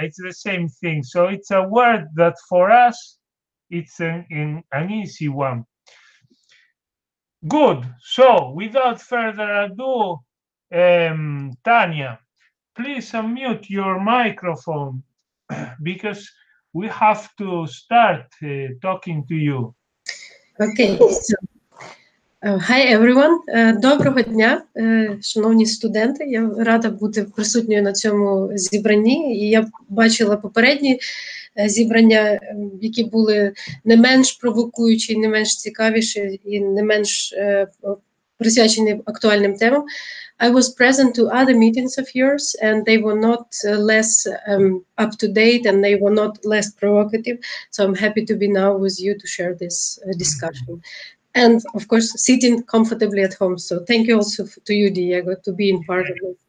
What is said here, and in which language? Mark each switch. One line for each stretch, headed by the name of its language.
English: It's the same thing. So it's a word that for us it's an easy one. Good. So without further ado, Tanja, please unmute your microphone because we have to start talking to you. Okay. So, hi everyone.
Ukrainian: Доброго дня, шановні студенти. Я рада бути присутньою на цьому зібранні. І я бачила попередні зібрання, які були не менш провокуючі, не менш цікавіші і не менш присвячені актуальним темам.
English: I was present to other meetings of yours, and they were not less up to date, and they were not less provocative. So I'm happy to be now with you to share this discussion, and of course, sitting comfortably at home. So thank you also to you, Diego, to be in part of it.